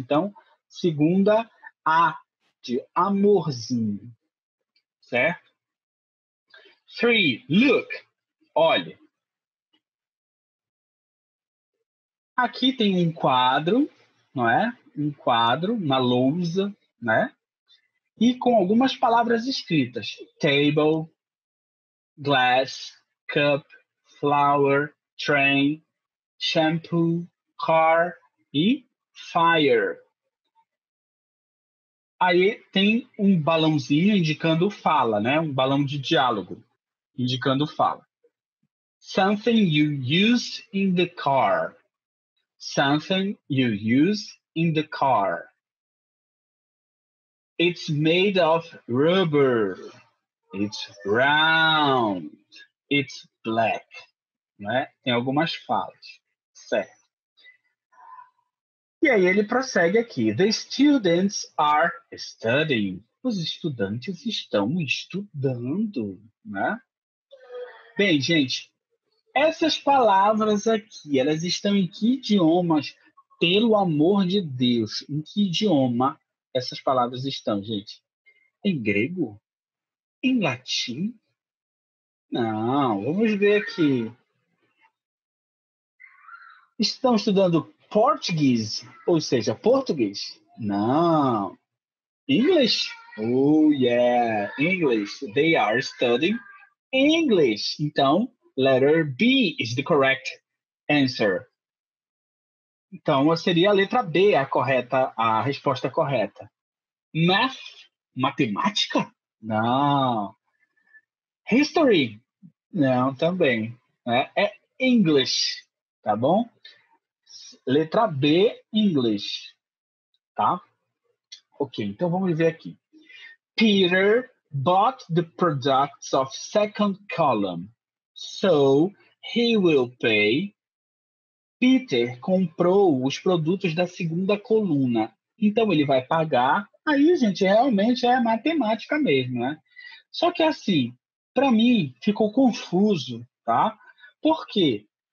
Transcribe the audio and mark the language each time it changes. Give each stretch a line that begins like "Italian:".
Portuguese: Então, segunda, A, de amorzinho, certo?
English: Three, look, olhe.
Portuguese: Aqui tem um quadro, não é? Um quadro, uma lousa, né? E com algumas palavras escritas.
English: Table, glass, cup, flower, train, shampoo, car e fire.
Portuguese: Aí tem um balãozinho indicando fala, né? Um balão de diálogo. Indicando fala.
English: Something you use in the car. Something you use in the car. It's made of rubber. It's round. It's black. Né?
Portuguese: Tem algumas falas. Certo. E aí ele prossegue aqui.
English: The students are studying.
Portuguese: Os estudantes estão estudando, né? Bem, gente, essas palavras aqui, elas estão em que idiomas? Pelo amor de Deus, em que idioma essas palavras estão, gente? Em grego? Em latim? Não, vamos ver aqui. Estão estudando português, ou seja, português?
English: Não. English? Oh, yeah. English. They are studying English. Então, letter B is the correct answer.
Portuguese: Então, seria a letra B a correta, a resposta correta. Math? Matemática? Não. History? Não, também. É English, tá bom? Letra B, English. Tá? Ok, então vamos ver aqui.
English: Peter bought the products of second column, so he will pay.
Portuguese: Peter comprou os produtos da segunda coluna, então ele vai pagar. Aí, gente, realmente é matemática mesmo, né? Só que assim, para mim, ficou confuso, tá? Por quê?